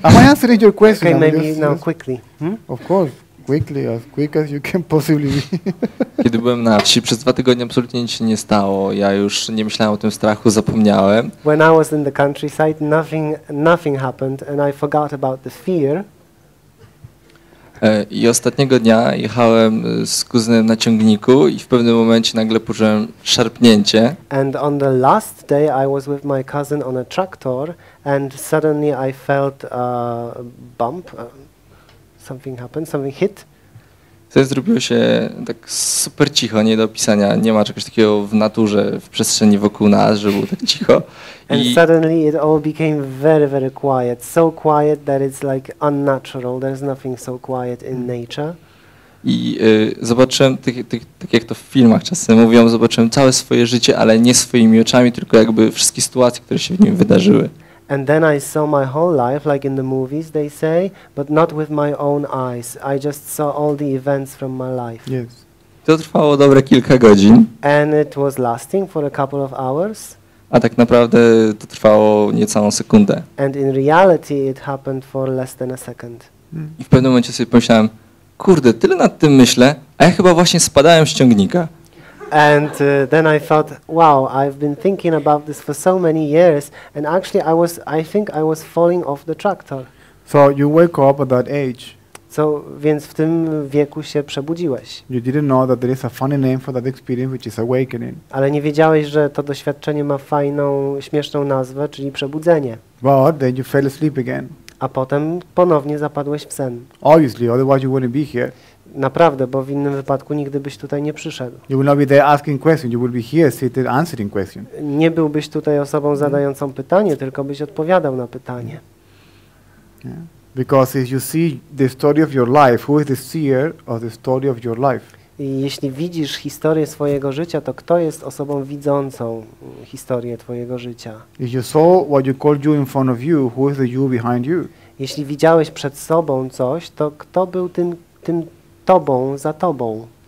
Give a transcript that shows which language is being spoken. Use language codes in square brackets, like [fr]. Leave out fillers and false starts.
[en] Am I answering your question? Okay, maybe just, now, just quickly. Of course. Quickly, as quick as you can possibly be. [pl] Kiedy byłem na wsi, przez dwa tygodnie absolutnie nic się nie stało. Ja już nie myślałem o tym strachu, zapomniałem. [en] When I was in the countryside, nothing happened and I forgot about the fear. [pl] I ostatniego dnia jechałem z kuzynem na ciągniku i w pewnym momencie nagle poczułem szarpnięcie. [en] And on the last day I was with my cousin on a tractor and suddenly I felt a bump. Something happened, something hit. [pl] To zrobiło się tak super cicho, nie do opisania. Nie ma czegoś takiego w naturze, w przestrzeni wokół nas, że było tak cicho. [en] And suddenly it all became very, very quiet. So quiet that it's like unnatural. There's nothing so quiet in nature. [pl] I zobaczyłem, tak jak to w filmach czasem mówią, zobaczyłem całe swoje życie, ale nie swoimi oczami, tylko jakby wszystkie sytuacje, które się w nim wydarzyły. [en] And then I saw my whole life, like in the movies they say, but not with my own eyes. I just saw all the events from my life. Yes. [pl] To trwało dobre kilka godzin. [en] And it was lasting for a couple of hours. [pl] A tak naprawdę to trwało niecałą sekundę. [en] And in reality it happened for less than a second. [pl] I w pewnym momencie sobie pomyślałem, kurde, tyle nad tym myślę, a ja chyba właśnie spadałem z ciągnika. [en] And then I thought, wow, I've been thinking about this for so many years, and actually I think I was falling off the tractor. So you wake up at that age. [pl] So, więc w tym wieku się przebudziłeś. [en] You didn't know that there is a funny name for that experience, which is awakening. [pl] Ale nie wiedziałeś, że to doświadczenie ma fajną, śmieszną nazwę, czyli przebudzenie. [en] But then you fell asleep again. [pl] A potem ponownie zapadłeś w sen. [en] Obviously, otherwise you wouldn't be here. [pl] Naprawdę, bo w innym wypadku nigdy byś tutaj nie przyszedł. [en] You will not be there asking questions, you will be here seated answering questions. [pl] Nie byłbyś tutaj osobą zadającą pytanie, tylko byś odpowiadał na pytanie. [en] Yeah. Because if you see the story of your life, who is the seer of the story of your life? [pl] I jeśli widzisz historię swojego życia, to kto jest osobą widzącą historię twojego życia? [en] If you saw what you called you in front of you, who is the you behind you? [pl] Jeśli widziałeś przed sobą coś, to kto był tym tobą za tobą.